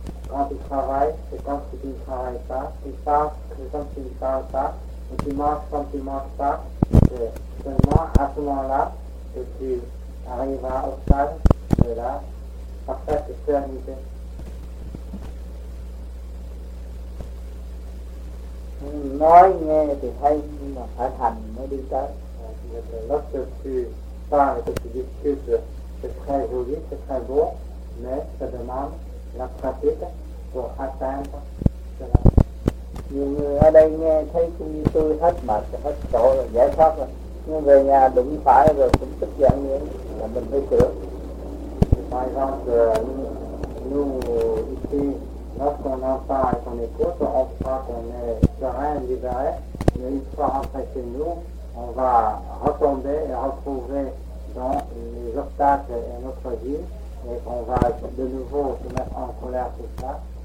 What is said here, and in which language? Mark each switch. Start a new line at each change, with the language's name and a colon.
French: Quand tu travailles, c'est comme si tu ne travailles pas. Tu parles, c'est comme si tu ne parles pas. Et tu manges comme tu ne manges pas. C'est seulement à ce moment-là que tu arriveras au stade de la parfaite sérénité.
Vietnamese: Nói nghe thì hay nhưng mà phải hành mới đi tới.
French: Lúc tu parles et tu discutes, c'est très joli, c'est très beau, mais ça demande la pratique pour atteindre cela.
Vietnamese: Nhiều người ở đây nghe thấy cũng như tôi hết mệt, hết chỗ rồi giải thoát rồi. Nhưng về nhà đụng phải rồi cũng tức giận như là mình phải sửa.
French: Par exemple, nous ici, lorsqu'on entend et qu'on écoute, on croit qu'on est serein, libéré, mais une fois rentré chez nous, on va retomber et retrouver dans les obstacles et notre vie, et qu'on va de nouveau se mettre en colère tout ça.